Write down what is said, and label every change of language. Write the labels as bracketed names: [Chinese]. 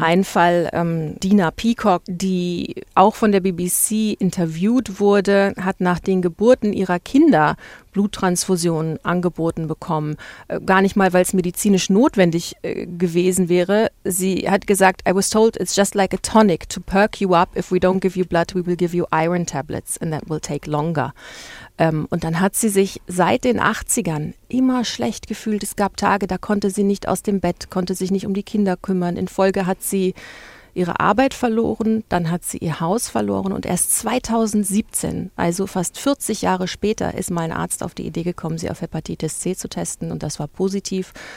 [German] Ein Fall, Dina Peacock, die auch von der BBC interviewt wurde, hat nach den Geburten ihrer Kinder Bluttransfusionen angeboten bekommen. Gar nicht mal, weil es medizinisch notwendig gewesen wäre. Sie hat gesagt, [English] I was told it's just like a tonic to perk you up. If we don't give you blood, we will give you iron tablets and that will take longer. [German] Und dann hat sie sich seit den 80ern immer schlecht gefühlt. Es gab Tage, da konnte sie nicht aus dem Bett, konnte sich nicht um die Kinder kümmern. In Folge hat sie ihre Arbeit verloren, dann hat sie ihr Haus verloren und erst 2017, also fast 40 Jahre später, ist mal ein Arzt auf die Idee gekommen, sie auf Hepatitis C zu testen und das war positiv.